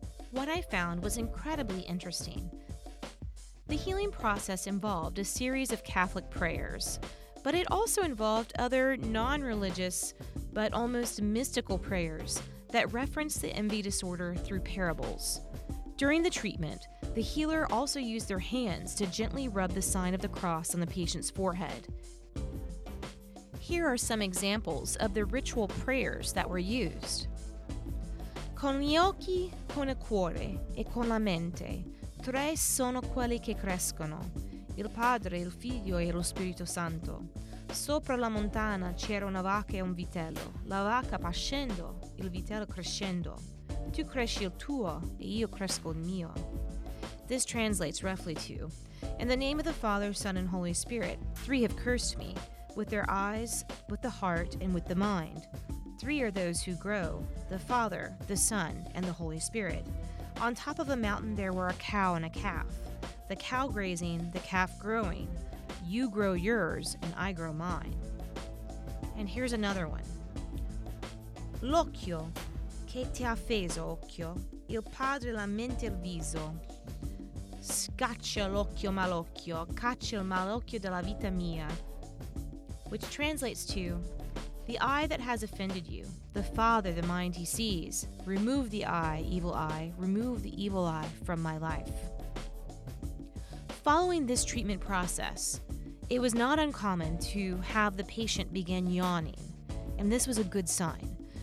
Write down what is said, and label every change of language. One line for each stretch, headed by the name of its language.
English: What I found was incredibly interesting. The healing process involved a series of Catholic prayers, but it also involved other non-religious but almost mystical prayers that referenced the envy disorder through parables. During the treatment, the healer also used their hands to gently rub the sign of the cross on the patient's forehead. Here are some examples of the ritual prayers that were used.
Italian: Con gli occhi, con il cuore e con la mente, tre sono quelli che crescono, il Padre, il Figlio e lo Spirito Santo. Sopra la montagna c'era una vacca e un vitello, la vacca pascendo, il vitello crescendo. Tu cresci il tuo e io cresco il mio.
English: This translates roughly to, "In the name of the Father, Son, and Holy Spirit, three have cursed me, with their eyes, with the heart, and with the mind. Three are those who grow, the Father, the Son, and the Holy Spirit. On top of a mountain there were a cow and a calf, the cow grazing, the calf growing. You grow yours, and I grow mine." And here's another one.
Italian: L'occhio che ti ha feso, occhio, il padre la mente il viso. Scaccia l'occhio malocchio, caccia il malocchio della vita mia.
English: Which translates to, "The eye that has offended you, the father, the mind he sees, remove the eye, evil eye, remove the evil eye from my life." Following this treatment process, it was not uncommon to have the patient begin yawning, and this was a good sign.